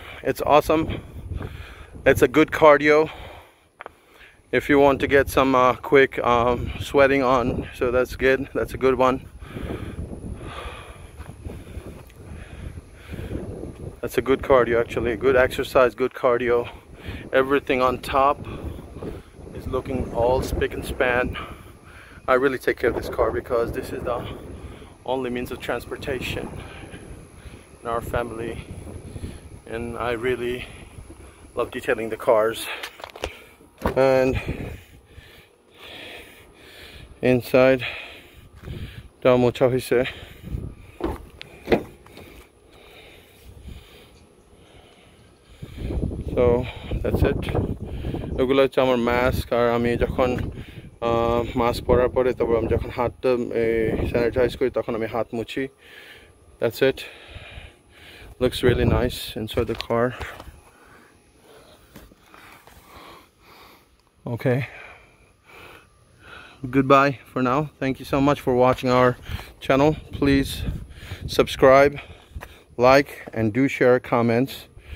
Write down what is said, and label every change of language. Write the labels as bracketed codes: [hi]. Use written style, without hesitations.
[en] It's awesome, it's a good cardio if you want to get some quick sweating on, so that's good, that's a good one. That's a good cardio actually, good exercise, good cardio. Everything on top is looking all spick and span. I really take care of this car because this is the only means of transportation in our family. And I really love detailing the cars. And inside, Damo Chahise. So that's it. [bn] এগুলো হচ্ছে আমার mask, আর আমি যখন mask পরার পরে তারপর আমি যখন হাতটা স্যানিটাইজ করি তখন আমি হাত মুছি। [en] That's it. Looks really nice inside the car. Okay. Goodbye for now. Thank you so much for watching our channel. Please subscribe, like, and do share comments.